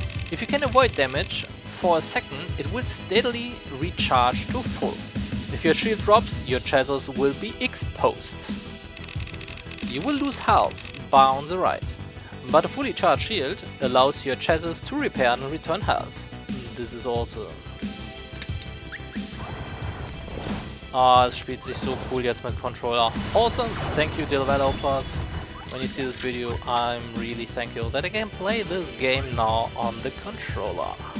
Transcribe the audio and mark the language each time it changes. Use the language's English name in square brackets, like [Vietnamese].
[English] If you can avoid damage for a second, it will steadily recharge to full. If your shield drops, your chassis will be exposed. You will lose health bar on the right, but a fully charged shield allows your chassis to repair and return health. This is awesome. [German] Ah, es spielt sich so cool jetzt mit Controller. [English] Awesome! Thank you, developers. When you see this video, I'm really thankful that I can play this game now on the controller.